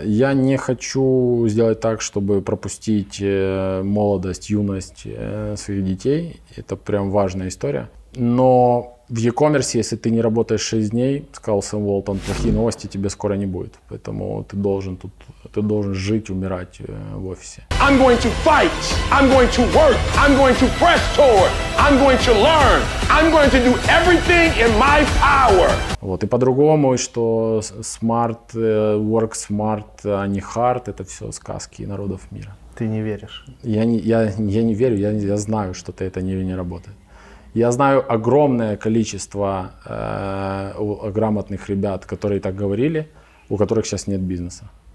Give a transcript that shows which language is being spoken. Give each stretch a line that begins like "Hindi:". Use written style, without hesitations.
Russian: Я не хочу сделать так, чтобы пропустить молодость, юность своих детей. Это прям важная история. Но в e-commerce, если ты не работаешь 6 дней, сказал Сэм Уолтон, плохие новости тебе скоро не будет. Поэтому ты должен жить, умирать в офисе.
English: I'm going to fight. I'm going to work. I'm going to press forward. I'm going to learn. I'm going to do everything in my power.
Russian: Вот, и по-другому, что
English: smart, work smart,
Russian: а не hard, это все сказки народов мира. Ты не веришь? Я не верю, я знаю, что это не работает. Я знаю огромное количество грамотных ребят, которые так говорили, у которых сейчас нет бизнеса.